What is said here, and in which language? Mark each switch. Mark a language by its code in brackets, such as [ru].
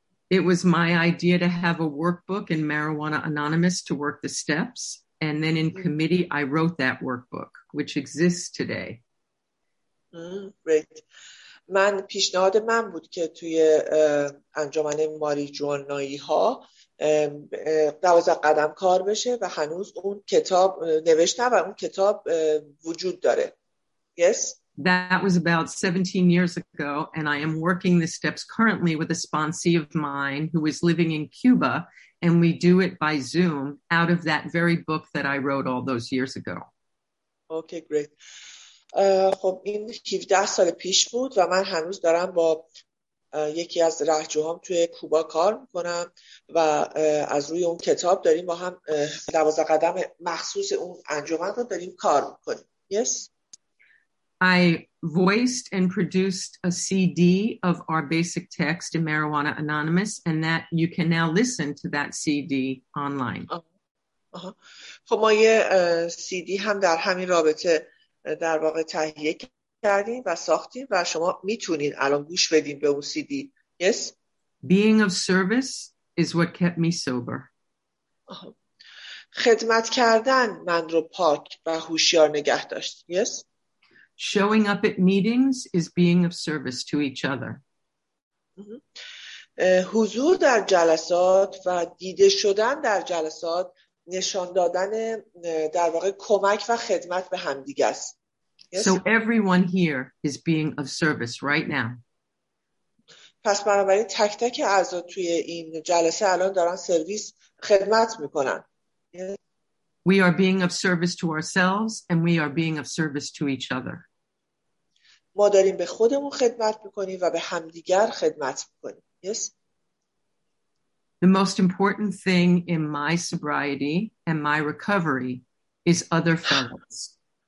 [en] It was my idea to have a workbook in Marijuana Anonymous to work the steps. And then in committee, I wrote that workbook, which exists today. Great. [fa] من پیشنهاد من بود که توی انجمن ماری جوان نایی ها 12 قدم کار بشه و هنوز اون کتاب نوشته و اون کتاب وجود داره. [en] Yes? That was about 17 years ago, and I am working the steps currently with a sponsee of mine who is living in Cuba, and we do it by Zoom out of that very book that I wrote all those years ago. Okay, great. [fa] خب این 17 سال پیش بود و من هنوز دارم با یکی از رهجوهام توی کوبا کار میکنم و از روی اون کتاب داریم با هم 12 قدم مخصوص اون انجمن رو داریم کار میکنیم. [en] Yes? I voiced and produced a CD of our basic text in Marijuana Anonymous, and that you can now listen to that CD online. [fa] خب ما یه CD هم در همین رابطه در واقع تهیه کردیم و ساختیم و شما میتونین الان گوش بدین به اون CD. [en] Yes? Being of service is what kept me sober. [fa] خدمت کردن من رو پاک و هوشیار نگه داشت. [en] Yes? Showing up at meetings is being of service to each other. [fa] حضور در جلسات و دیده شدن در جلسات نشان دادن در واقع کمک و خدمت به همدیگه است. [en] So everyone here is being of service right now. [fa] پس بنابراین تک تک اعضا توی این جلسه الان دارن سرویس خدمت میکنن. [en] We are being of service to ourselves and we are being of service to each other. [fa] ما داریم به خودمون خدمت میکنیم و به همدیگر خدمت میکنیم. [en] Yes? The most important thing in my sobriety and my recovery is other fellows.